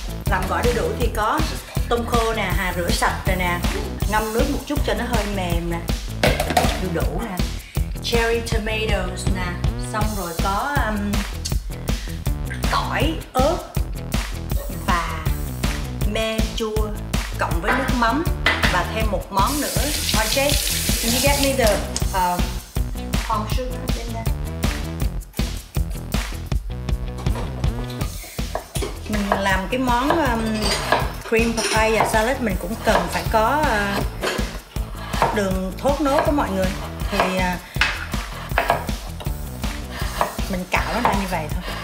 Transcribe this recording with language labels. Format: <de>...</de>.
<vi>Làm gỏi đu đủ thì có tôm khô nè, Hà rửa sạch rồi nè, ngâm nước một chút cho nó hơi mềm nè, đu đủ nè, cherry tomatoes nè, xong rồi có tỏi, ớt và me chua cộng với nước mắm và thêm một món nữa.</vi> <en>Okay, can you get me the palm sugar in there?</en> <vi>Mình làm cái món cream papaya salad mình cũng cần phải có đường thốt nốt của mọi người. Thì mình cạo nó ra như vậy thôi.</vi>